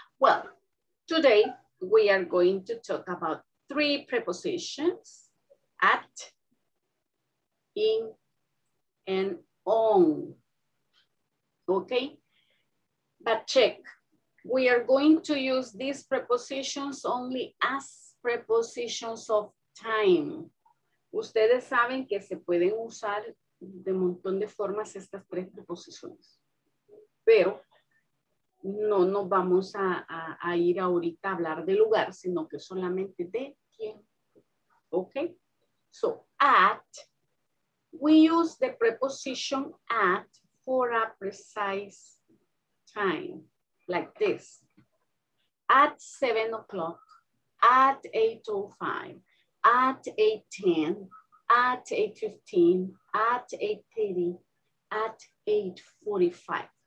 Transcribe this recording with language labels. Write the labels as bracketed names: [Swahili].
[English] Well, today, we are going to talk about three prepositions: at, in, and on. Okay, but check, we are going to use these prepositions only as prepositions of time. [Spanish] Ustedes saben que se pueden usar de montón de formas estas tres preposiciones, pero no nos vamos a ir ahorita a hablar de lugar, sino que solamente de tiempo. [English] Okay? So, at, we use the preposition at for a precise time, like this. At 7:00, at 8:05, at 8:10, at 8:15, at 8:30, at 8:45.